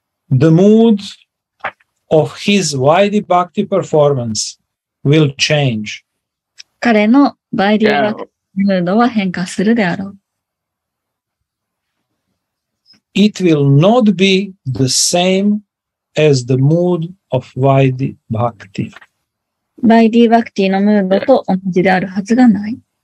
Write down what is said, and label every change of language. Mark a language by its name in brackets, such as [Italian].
[English] The mood of his Vaidhi Bhakti performance will change. [Japanese] 彼のバイディバクティムードは変化するであろう。 [English] It will not be the same as the mood of Vaidhi Bhakti. [Japanese] バイディバクティのムードと同じであるはずがない。